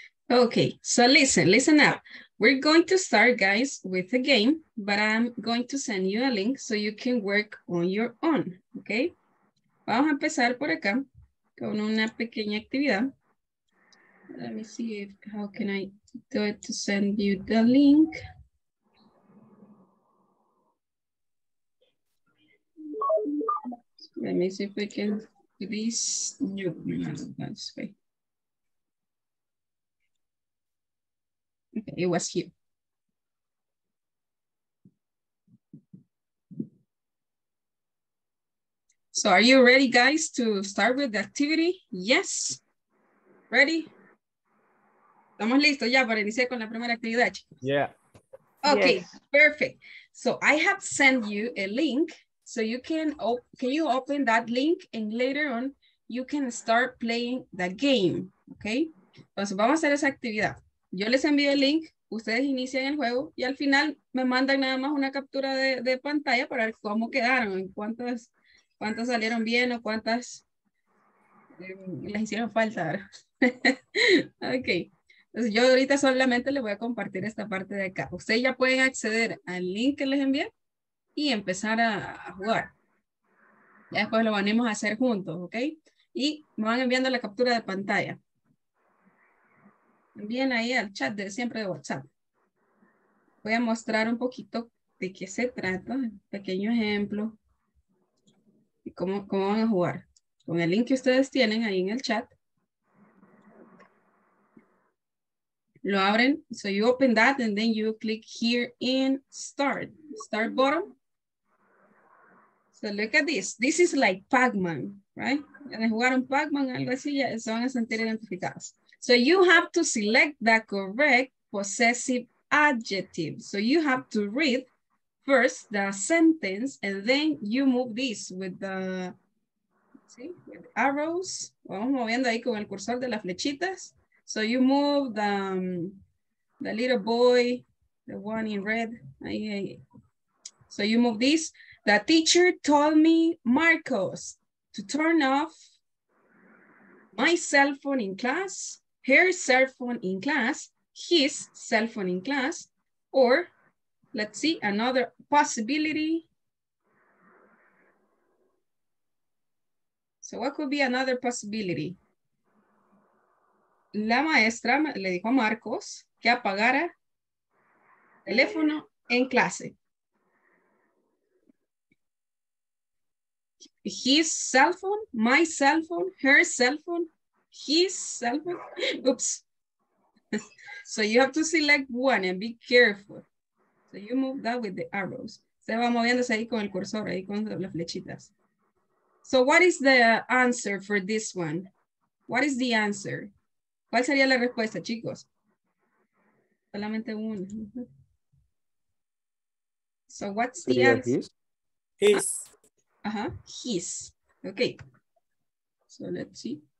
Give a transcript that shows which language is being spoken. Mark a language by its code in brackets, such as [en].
[en] Okay, so listen up. We're going to start, guys, with a game, but I'm going to send you a link so you can work on your own, okay? [es] Vamos a empezar por acá con una pequeña actividad. [en] Let me see if, how can I do it to send you the link. Let me see if we can do this. No, that's fine. Okay, it was you. So are you ready, guys, to start with the activity? Yes. Ready? Estamos listos ya para iniciar con la primera actividad, chicos. Yeah. Okay, yes. Perfect. So I have sent you a link. So you can you open that link and later on you can start playing the game. [es] Okay. Entonces vamos a hacer esa actividad. Yo les envío el link, ustedes inician el juego y al final me mandan nada más una captura de pantalla para ver cómo quedaron, cuántas salieron bien o cuántas les hicieron falta. Ok, entonces yo ahorita solamente les voy a compartir esta parte de acá. Ustedes ya pueden acceder al link que les envié y empezar a jugar. Ya después lo venimos a hacer juntos, ok. Y me van enviando la captura de pantalla. Bien ahí al chat de siempre de WhatsApp. Voy a mostrar un poquito de qué se trata. Un pequeño ejemplo. Y cómo van a jugar. Con el link que ustedes tienen ahí en el chat. Lo abren. [en] So you open that and then you click here in start. Start button. So look at this. This is like Pac-Man, right? And if you want Pac-Man, [es] algo así, ya se van a sentir identificados. [en] So you have to select the correct possessive adjective. So you have to read first the sentence and then you move this with the with arrows. [es] Vamos moviendo ahí con el cursor de las flechitas. [en] So you move the little boy, the one in red. So you move this. The teacher told me, Marcos, to turn off my cell phone in class, her cell phone in class, his cell phone in class, or let's see, another possibility. So what could be another possibility? [es] La maestra le dijo a Marcos que apagara el teléfono en clase. [en] His cell phone, my cell phone, her cell phone, his cell phone. Oops. So you have to select one and be careful. So you move that with the arrows. [es] Se va moviéndose ahí con el cursor, ahí con las flechitas. [en] So what is the answer for this one? What is the answer? [es] ¿Cuál sería la respuesta, chicos? Solamente uno. [en] So what's the answer? His. Uh-huh. His. Okay. So let's see.